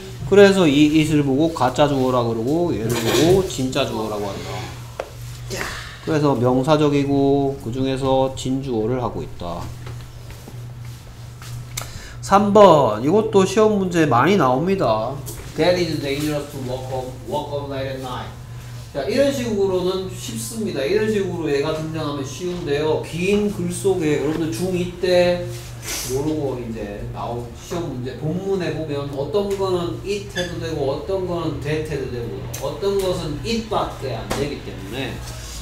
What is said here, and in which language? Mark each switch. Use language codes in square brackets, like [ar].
[ko] 그래서 이 it을 보고 가짜 주어라 그러고 얘를 보고 진짜 주어라고 한다. 그래서 명사적이고 그 중에서 진주어를 하고 있다. 3번 이것도 시험 문제 많이 나옵니다. [en] That is dangerous to walk home late at night. [ko] 자, 이런 식으로는 쉽습니다. 이런 식으로 얘가 등장하면 쉬운데요. 긴 글 속에 여러분들 중2 때 요런거 이제 나온 시험 문제 본문에 보면 어떤 거는 it 해도 되고 어떤 거는 that 해도 되고 어떤 것은 it 밖에 안 되기 때문에 그